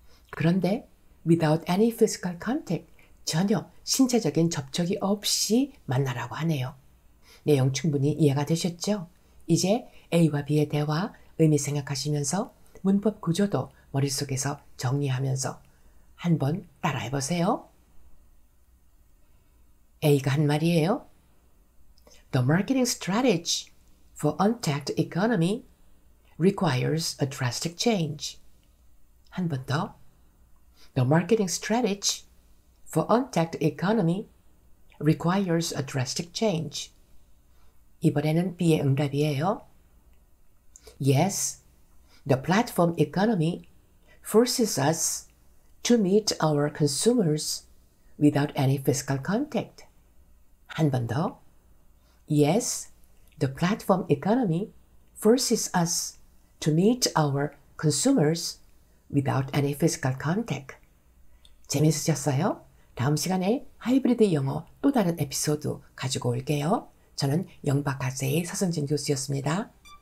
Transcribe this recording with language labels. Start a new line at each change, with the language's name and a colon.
Korean: 그런데
English: without any physical contact,
Korean: 전혀 신체적인 접촉이 없이 만나라고 하네요. 내용 충분히 이해가 되셨죠? 이제 A와 B의 대화 의미 생각하시면서 문법 구조도 머릿속에서 정리하면서 한번 따라해 보세요. A가 한 말이에요.
English: The marketing strategy for untapped economy requires a drastic change.
Korean: 한번 더.
English: The marketing strategy for untapped economy requires a drastic change.
Korean: 이번에는 B의 응답이에요.
English: Yes, the platform economy forces us to meet our consumers without any physical contact.
Korean: 한 번 더.
English: Yes, the platform economy forces us to meet our consumers without any physical contact.
Korean: 재밌으셨어요? 다음 시간에 하이브리드 영어 또 다른 에피소드 가지고 올게요. 저는 영박학세의 서승진 교수였습니다.